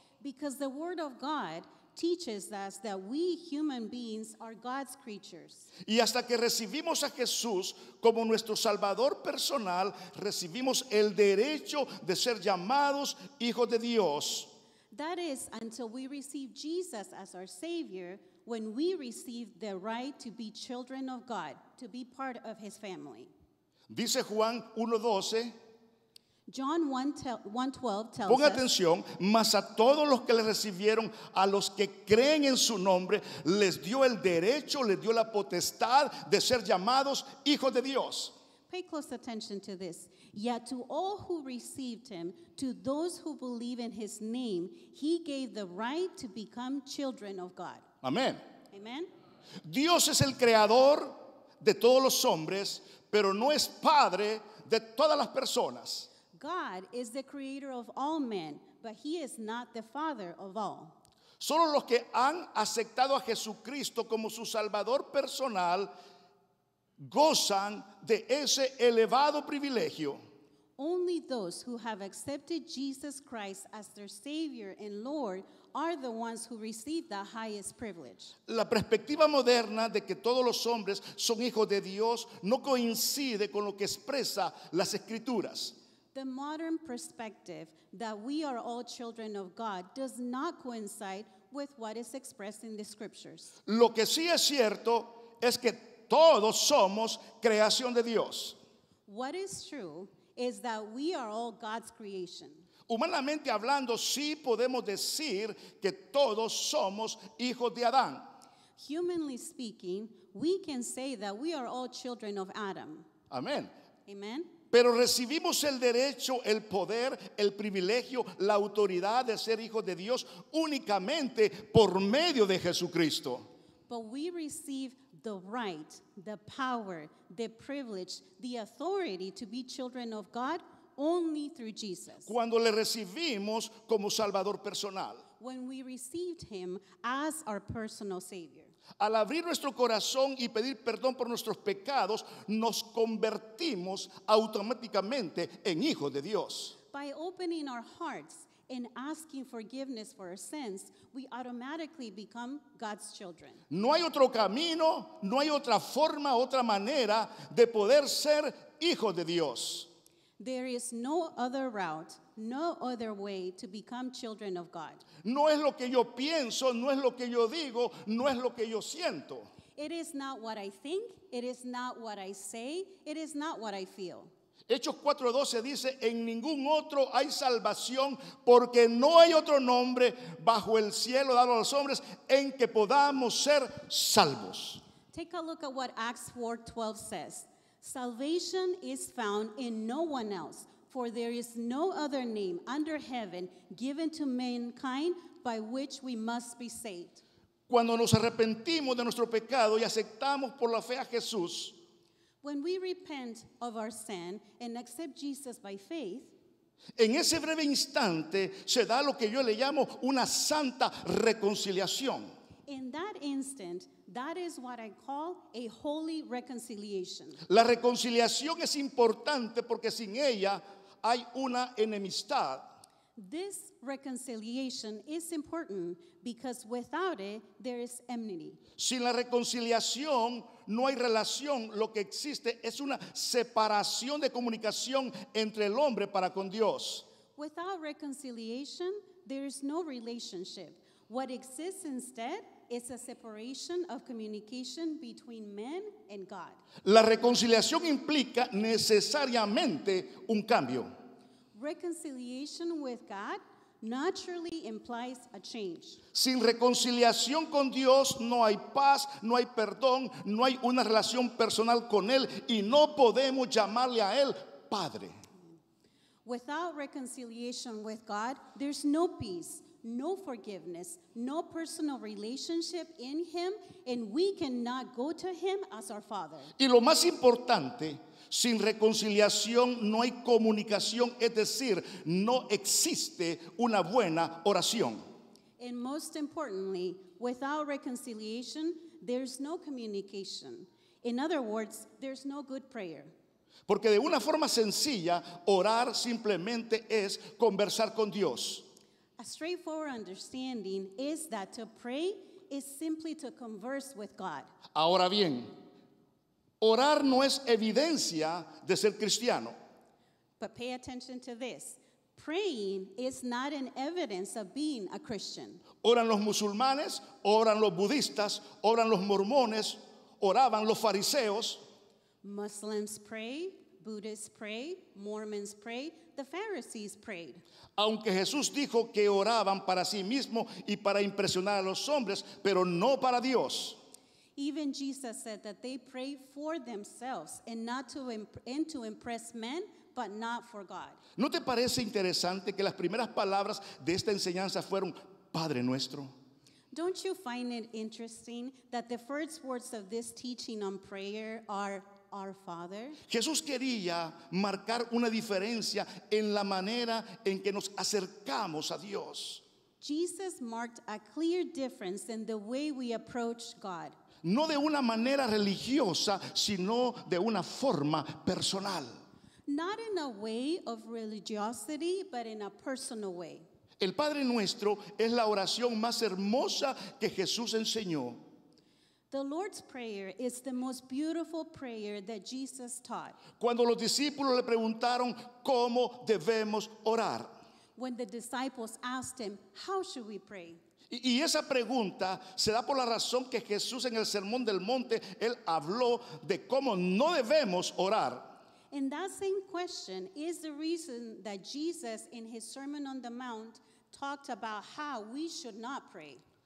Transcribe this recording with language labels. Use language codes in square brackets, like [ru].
[en] Because the word of God teaches us that we human beings are God's creatures. [es] Y hasta que recibimos a Jesús como nuestro Salvador personal, recibimos el derecho de ser llamados hijos de Dios. [en] That is, until we receive Jesus as our Savior, when we receive the right to be children of God, to be part of his family. [es] Dice Juan 1:12. [en] John 1:12 tells us. [es] Ponga atención, mas a todos los que le recibieron, a los que creen en su nombre, les dio el derecho, les dio la potestad de ser llamados hijos de Dios. [en] Pay close attention to this. Yet to all who received him, to those who believe in his name, he gave the right to become children of God. Amen. Amen. [es] Dios es el creador de todos los hombres, pero no es padre de todas las personas. [en] God is the creator of all men, but he is not the father of all. [es] Solo los que han aceptado a Jesucristo como su Salvador personal gozan de ese elevado privilegio. [en] Only those who have accepted Jesus Christ as their Savior and Lord are the ones who receive the highest privilege. [es] La perspectiva moderna de que todos los hombres son hijos de Dios no coincide con lo que expresa las Escrituras. [en] The modern perspective that we are all children of God does not coincide with what is expressed in the Scriptures. [es] Lo que sí es cierto es que todos somos creación de Dios. [en] What is true is that we are all God's creation. [es] Humanamente hablando, sí podemos decir que todos somos hijos de Adán. [en] Humanly speaking, we can say that we are all children of Adam. [es] Amén. [en] Amen. [es] Pero recibimos el derecho, el poder, el privilegio, la autoridad de ser hijos de Dios únicamente por medio de Jesucristo. [en] But we receive the right, the power, the privilege, the authority to be children of God only through Jesus. [es] Cuando le recibimos como Salvador personal. [en] When we received him as our personal Savior. [es] Al abrir nuestro corazón y pedir perdón por nuestros pecados, nos convertimos automáticamente en hijos de Dios. [en] By opening our hearts and asking forgiveness for our sins, we automatically become God's children. [es] No hay otro camino, no hay otra forma, otra manera de poder ser hijos de Dios. [en] There is no other route, no other way to become children of God. [es] No es lo que yo pienso, no es lo que yo digo, no es lo que yo siento. [en] It is not what I think, it is not what I say, it is not what I feel. [es] Hechos 4:12 dice, en ningún otro hay salvación, porque no hay otro nombre bajo el cielo dado a los hombres en que podamos ser salvos. [en] Take a look at what Acts 4:12 says. Salvation is found in no one else, for there is no other name under heaven given to mankind by which we must be saved. [es] Cuando nos arrepentimos de nuestro pecado y aceptamos por la fe a Jesús, [en] when we repent of our sin and accept Jesus by faith, [es] en ese breve instante se da lo que yo le llamo una santa reconciliación. [en] In that instant, that is what I call a holy reconciliation. [es] La reconciliación es importante porque sin ella hay una enemistad. [en] This reconciliation is important because without it, there is enmity. [es] Sin la reconciliación, no hay relación. Lo que existe es una separación de comunicación entre el hombre para con Dios. [en] Without reconciliation, there is no relationship. What exists instead is a separation of communication between men and God. [es] La reconciliación implica necesariamente un cambio. [en] Reconciliation with God naturally implies a change. [es] Sin reconciliación con Dios no hay paz, no hay perdón, no hay una relación personal con Él y no podemos llamarle a Él Padre. [en] Without reconciliation with God, there's no peace, no forgiveness, no personal relationship in Him, and we cannot go to Him as our Father. [es] Y lo más importante, sin reconciliación no hay comunicación, es decir, no existe una buena oración. [en] And most importantly, without reconciliation, there's no communication. In other words, there's no good prayer. [es] Porque de una forma sencilla, orar simplemente es conversar con Dios. [en] A straightforward understanding is that to pray is simply to converse with God. [es] Ahora bien, orar no es evidencia de ser cristiano. [en] But pay attention to this. Praying is not an evidence of being a Christian. [es] Oran los musulmanes, oran los budistas, oran los mormones, oraban los fariseos. [en] Muslims pray, Buddhists pray, Mormons pray, the Pharisees prayed. [es] Aunque Jesús dijo que oraban para sí mismo y para impresionar a los hombres, pero no para Dios. [en] Even Jesus said that they pray for themselves and not to to impress men, but not for God. [es] ¿No te parece interesante que las primeras palabras de esta enseñanza fueron Padre nuestro? [en] Don't you find it interesting that the first words of this teaching on prayer are Our Father? [es] Jesús quería marcar una diferencia en la manera en que nos acercamos a Dios. [en] Jesus marked a clear difference in the way we approach God. [es] No de una manera religiosa, sino de una forma personal. [en] Not in a way of religiosity, but in a personal way. [es] El Padre Nuestro es la oración más hermosa que Jesús enseñó. [en] The Lord's Prayer is the most beautiful prayer that Jesus taught. [es] Cuando los discípulos le preguntaron cómo debemos orar. [en] When the disciples asked him, how should we pray? [es] Y esa pregunta se da por la razón que Jesús en el Sermón del Monte, él habló de cómo no debemos orar. [en] And that same question is the reason that Jesus in his Sermon on the Mount talked about how we should not pray.